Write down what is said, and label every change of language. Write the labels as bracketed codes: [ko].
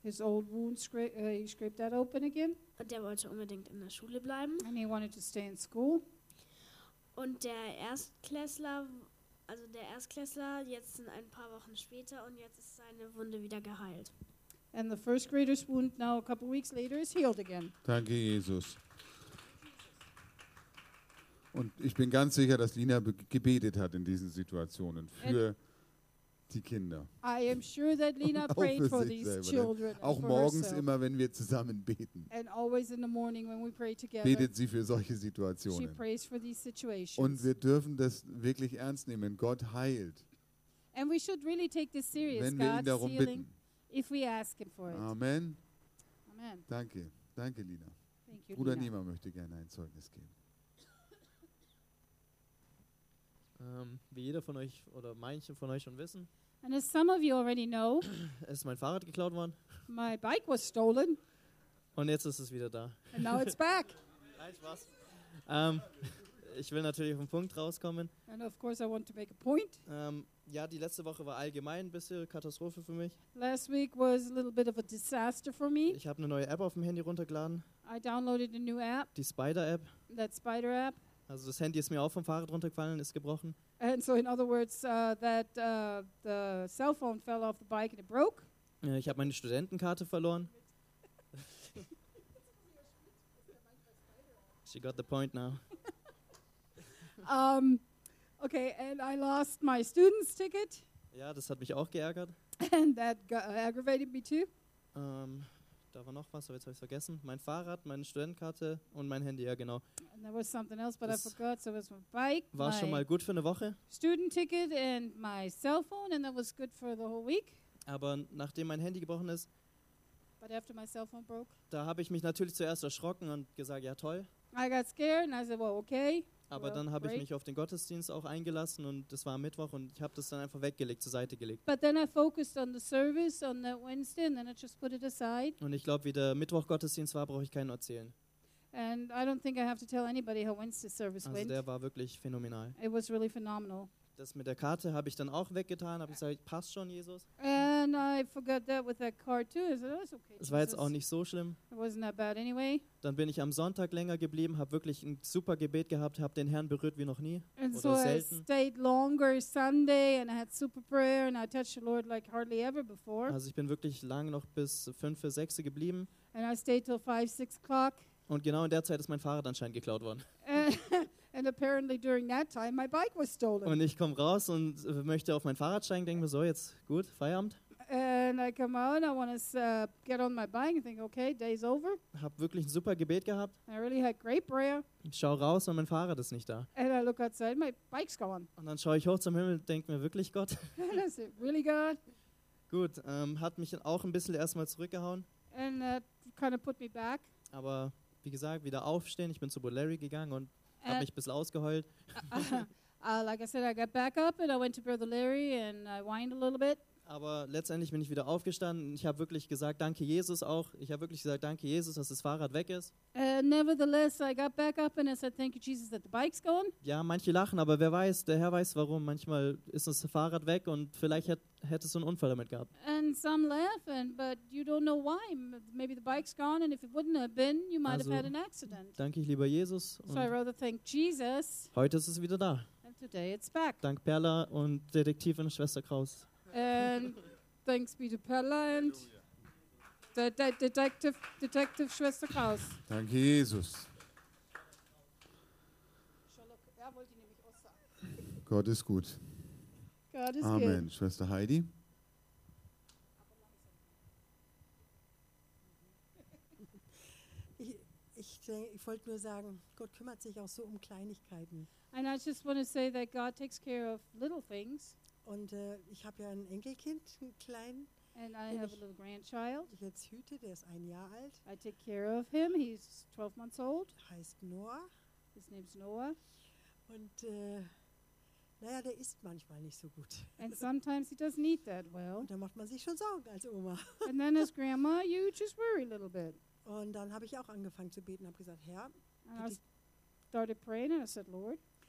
[en] His old wound he scraped that open again. [de] Und der wollte unbedingt in der Schule bleiben. [en] And he wanted to stay in school. [de] Und der Erstklässler, also der Erstklässler, jetzt sind ein paar Wochen später und jetzt ist seine Wunde wieder geheilt. [en] And the first grader's wound now a couple weeks later is healed again. [de] Danke, Jesus. Und ich bin ganz sicher, dass Lina gebetet hat in diesen Situationen für die Kinder. [en] I am sure that Lina prayed for these [de] selber, [en] children. [de] Auch morgens [en] herself. [de] Immer, wenn wir zusammen beten. [en] And always in the morning when we pray together. [de] Betet sie für solche Situationen. [en] She prays for these situations. [de] Und wir dürfen das wirklich ernst nehmen. Gott heilt. [en] And we should really take this serious. [de] Wenn [en] God [de] wir ihn darum bitten. [en] If we ask him for it. Amen. Amen. [de] Danke. Danke, Lina. [en] Thank you, [de] Bruder [en] Lina. [de] Niemer möchte gerne ein Zeugnis geben. Wie jeder von euch oder manche von euch schon wissen. [en] And as some of you already know, [de] ist mein Fahrrad geklaut worden. [en] My bike was stolen. [de] Und jetzt ist es wieder da. [en] And now it's back. [de] Nein, Spaß. Ich will natürlich auf den Punkt rauskommen. [en] And of course I want to make a point. [de] Ja, die letzte Woche war allgemein ein bisschen Katastrophe für mich. [en] Last week was a little bit of a disaster for me. [de] Ich habe eine neue App auf dem Handy runtergeladen. [en] I downloaded a new app. [de] Die Spider-App. [en] That spider app. [de] Also das Handy ist mir auch vom Fahrrad runtergefallen, ist gebrochen. [en] And so in other words, that the cell phone fell off the bike and it broke. [de] Ja, ich habe meine Studentenkarte verloren. [en] She got the point now. Okay, and I lost my student's ticket. [de] Ja, das hat mich auch geärgert. [en] And that aggravated me too. [de] Da war noch was, aber jetzt habe ich es vergessen. Mein Fahrrad, meine Studentenkarte und mein Handy, ja genau. [en] And there was something else, but I forgot. So it was my bike. [de] War schon mal gut für eine Woche. [en] Student ticket and my cell phone, and that was good for the whole week. [de] Aber nachdem mein Handy gebrochen ist, [en] but after my cell phone broke, [de] da habe ich mich natürlich zuerst erschrocken und gesagt, ja toll. [en] I got scared and I said, well, okay. [de] Aber dann habe ich mich auf den Gottesdienst auch eingelassen und das war am Mittwoch und ich habe das dann einfach weggelegt, zur Seite gelegt. [en] But then I focused on the service on that Wednesday and then I just put it aside. [de] Und ich glaube, wie der Mittwoch-Gottesdienst war, brauche ich keinen erzählen. [en] And I don't think I have to tell anybody how Wednesday service went. [de] Also der war wirklich phänomenal. [en] It was really phenomenal. [de] Das mit der Karte habe ich dann auch weggetan, habe ich gesagt, passt schon, Jesus. [en] And I forgot that with that card too. I said, oh, it's okay. [de] Es war jetzt auch nicht so schlimm. [en] It wasn't that bad anyway. [de] Dann bin ich am Sonntag länger geblieben, habe wirklich ein super Gebet gehabt, habe den Herrn berührt wie noch nie. [en] And [de] oder selten. [en] I stayed longer Sunday and I had super prayer and I touched the Lord like hardly ever before. [de] Also ich bin wirklich lange noch bis 5 für 6 geblieben. [en] And I stayed till 5, 6 o'clock. [de] Und genau in der Zeit ist mein Fahrrad anscheinend geklaut worden. [en] And apparently during that time my bike was stolen. [de] Und ich komme raus und möchte auf mein Fahrrad steigen, denke mir so, jetzt gut, Feierabend. [en] And I come out, I want to get on my bike and think, okay, day's over. [de] Hab wirklich ein super Gebet gehabt. [en] I really had great prayer. [de] Ich schau raus und mein Fahrrad ist nicht da. [en] And I look outside, my bike's gone. [de] Und dann schaue ich hoch zum Himmel und denke mir, wirklich Gott? [en] And I say, really God? [de] Gut, hat mich auch ein bisschen erstmal zurückgehauen. [en] And that kind of put me back. [de] Aber wie gesagt, wieder aufstehen, ich bin zu Larry gegangen und hab mich ein bisschen ausgeheult. [en] Like I said, I got back up and I went to Brother Larry and I whined a little bit. [de] Aber letztendlich bin ich wieder aufgestanden. Ich habe wirklich gesagt, danke Jesus auch. Ich habe wirklich gesagt, danke Jesus, dass das Fahrrad weg ist. [en] Nevertheless, I got back up and I said, thank you Jesus that the bike's gone. [de] Ja, manche lachen, aber wer weiß, der Herr weiß warum. Manchmal ist das Fahrrad weg und vielleicht hätte es so einen Unfall damit gehabt. [en] And some laughing, but you don't know why. Maybe the bike's gone and if it wouldn't have been, you might [de] also [en] have had an accident. [de] Danke ich lieber Jesus. Und [en] so I rather thank Jesus. [de] Heute ist es wieder da. [en] And today it's back. [de] Dank Perla und Detektivin Schwester Kraus. [en] And thanks be to Perla and Detective Schwester Kraus. [de] Danke, Jesus. Gott ist gut. Amen. [en] Good. [de] Schwester Heidi. Ich wollte nur sagen, Gott kümmert sich auch so um Kleinigkeiten. [en] And I just want to say that God takes care of little things. [de] Und ich habe ja ein Enkelkind, ein kleinen. [en] And I have a little grandchild. [de] Ich jetzt hüte, der ist ein Jahr alt. [en] I take care of him. He's 12 months old. [de] Heißt Noah. [en] His name's Noah. [de] Und naja, der isst manchmal nicht so gut. [en] And sometimes he doesn't eat that well. [de] Und dann macht man sich schon Sorgen als Oma. [en] And then as grandma, you just worry a little bit. [de] Und dann habe ich auch angefangen zu beten, habe gesagt, Herr, [en] and I started praying and I said, Lord,